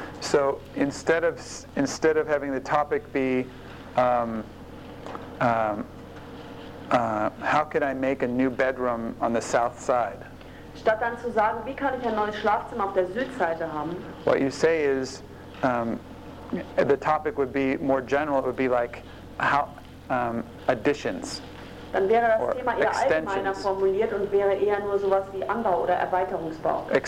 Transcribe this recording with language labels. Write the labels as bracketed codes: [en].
[en] So instead of having the topic be how can I make a new bedroom on the south side? [de] Statt dann zu sagen, wie kann ich ein neues Schlafzimmer auf der Südseite haben? [en] What you say is the topic would be more general. It would be like how additions. [de] Dann wäre das Thema eher allgemeiner formuliert und wäre eher nur sowas wie Anbau oder Erweiterungsbau.